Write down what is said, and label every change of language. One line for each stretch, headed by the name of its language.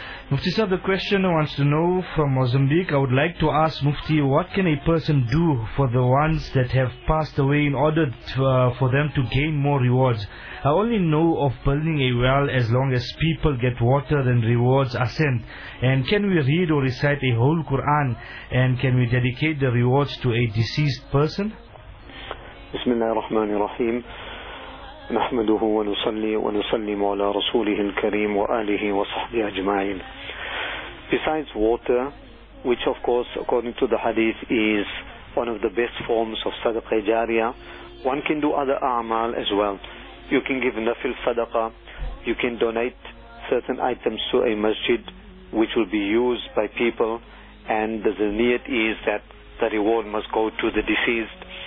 English: Mufti Saab, the question wants to know from Mozambique. I would like to ask Mufti, what can a person do for the ones that have passed away in order for them to gain more rewards? I only know of building a well. As long as people get water, then rewards are sent. And can we read or recite a whole Quran? And can we dedicate the rewards to a deceased person?
Arabic: بسم الله الرحمن الرحيم نحمده ونصلي ونسلم على رسوله الكريم وآله وصحبه أجمعين.
English: Besides water, which of course according to the hadith is one of the best forms of sadaqa jariya, one can do other a'mal as well. You can give nafil sadaqa, you can donate certain items to a masjid which will be used by people, and the niyat is that the reward must go to the deceased.